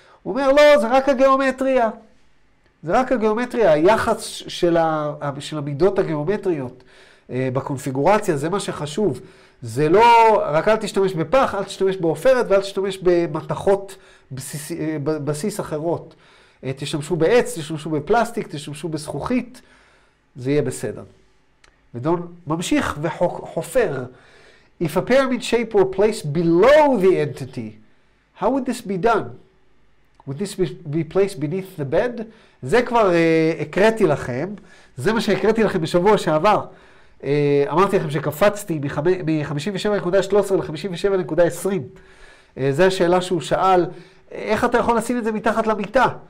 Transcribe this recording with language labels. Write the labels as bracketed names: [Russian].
[Hebrew] הוא אומר, לא, זה רק הגיאומטריה. זה רק הגיאומטריה, היחס של המידות הגיאומטריות בקונפיגורציה, זה מה שחשוב. זה לא, רק אל תשתמש בפח, אל תשתמש באופרת, ואל תשתמש במתכות בסיס אחרות. תשמשו בעץ, תשמשו בפלסטיק, תשמשו בזכוכית, זה יהיה בסדר. ודון ממשיך וחופר. [English] If a pyramid shape were placed below the entity, how would this be done? Would this be placed beneath the bed? [Hebrew] זה כבר הקראתי לכם, זה מה שהקראתי לכם בשבוע שעבר. אמרתי לכם שקפצתי מ-57.13 ל-57.20. זו השאלה שהוא שאל, איך אתה יכול לשים את זה מתחת למיטה?